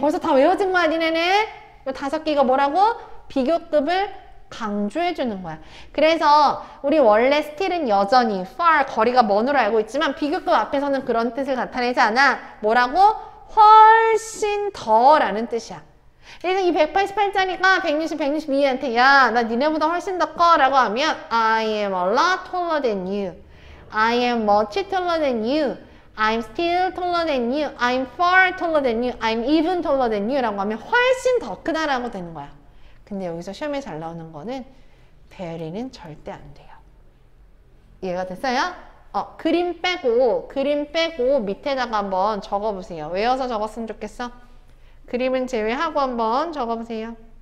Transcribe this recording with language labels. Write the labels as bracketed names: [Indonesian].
[Korean] 벌써 다 외워진 거야 니네는? 다섯 개가 뭐라고? 비교급을 강조해 주는 거야. 그래서 우리 원래 still은 여전히 far 거리가 먼으로 알고 있지만 비교급 앞에서는 그런 뜻을 나타내지 않아. 뭐라고? 훨씬 더라는 뜻이야. 1등이 188자니까 160, 162한테 야, 나 니네보다 훨씬 더 커. 라고 하면 [English] I am a lot taller than you. I am much taller than you. I'm still taller than you. I'm far taller than you. I'm even taller than you. [Korean] 라고 하면 훨씬 더 크다라고 되는 거야. 근데 여기서 시험에 잘 나오는 거는 very는 절대 안 돼요. 이해가 됐어요? 그림 빼고 밑에다가 한번 적어보세요. 외워서 적었으면 좋겠어. 그림은 제외하고 한번 적어보세요.